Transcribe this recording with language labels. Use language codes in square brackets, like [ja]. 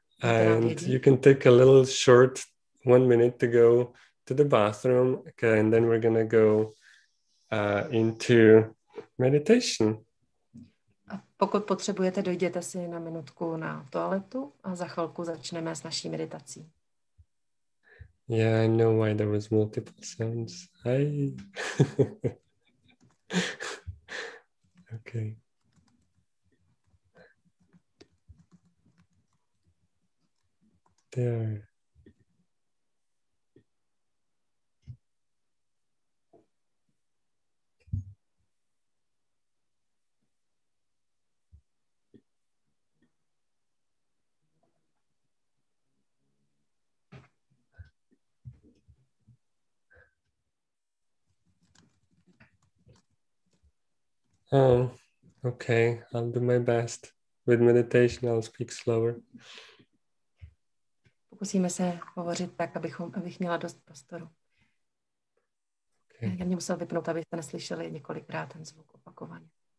[en] And you can take a little short 1 minute to go to the bathroom. Okay, and then we're gonna go into meditation. [cs] A pokud potřebujete, dojděte si na minutku na toaletu a za chvilku začneme s naší meditací. [en] Yeah, I know why there was multiple sounds. I... Okay. There. Oh, okay. I'll do my best. With meditation, I'll speak slower. [cs] Pokusíme se hovořit tak, abych měla dost prostoru. Okay. Já mě musel vypnout, abyste neslyšeli několikrát ten zvuk opakovaně.